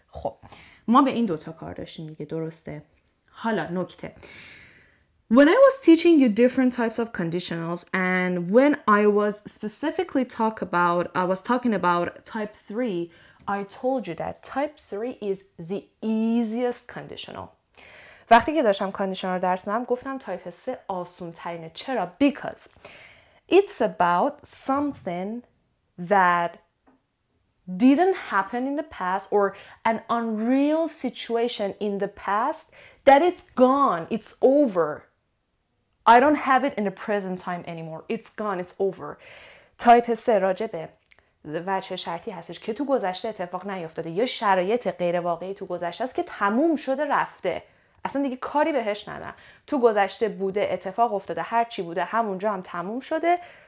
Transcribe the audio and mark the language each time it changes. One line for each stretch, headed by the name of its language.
Persian: خب ما به این دوتا کار داشتیم دیگه، درسته؟ حالا نکته،
English: when I was teaching you different types of conditionals and when I was specifically talking about type 3, I told you that type 3 is the easiest conditional.
Persian: وقتی که داشتم کاندیشنال درس می‌دادم گفتم تایپ 3 آسون‌ترینه. چرا؟
English: Because it's about something that didn't happen in the past or an unreal situation in the past that it's gone, it's over. I don't have it in the present time anymore. It's gone, it's over.
Persian: تایپ 3 راجبه وجه شرطی هستش که تو گذشته اتفاق نیفتاده یا شرایط غیر واقعی تو گذشته است که تموم شده رفته. اصلا دیگه کاری بهش ندارم. تو گذشته بوده، اتفاق افتاده، هر چی بوده همونجا هم تموم شده.